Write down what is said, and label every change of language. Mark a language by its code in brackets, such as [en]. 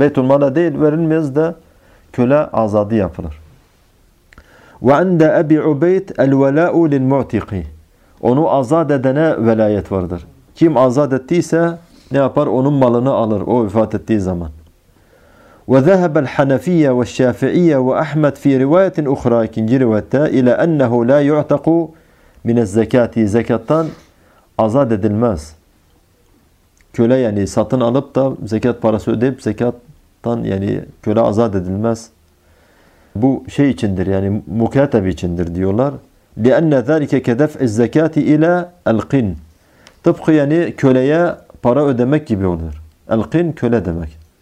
[tr] Beytul mala değil, verilmez de köle azadı yapılır. [ar] وَعَنْدَ أَبِي عُبَيْتَ الْوَلَاءُ لِلْمُعْتِقِ. [tr] Onu azat edene velayet vardır. Kim azat ettiyse ne yapar? Onun malını alır o vefat ettiği zaman. [ar] وَذَهَبَ الْحَنَفِيَّ وَالشَّافِعِيَّ وَأَحْمَدْ فِي رِوَيَةٍ اُخْرَى [tr] ikinci rivayette [ar] اِلَا اَنَّهُ لَا يُعْتَقُ مِنَ الزَّكَاتِ. [tr] Zekattan azat edilmez. Köle yani satın alıp da zekat parası ödeyip zekat, yani köle azat edilmez. Bu şey içindir, yani mukatab içindir diyorlar. [ar] لِأَنَّ ذَٰلِكَ كَدَفْعِ الزَّكَاتِ اِلَى الْقِنْ. [tr] Tıpkı yani köleye para ödemek gibi olur. الْقِنْ köle demek.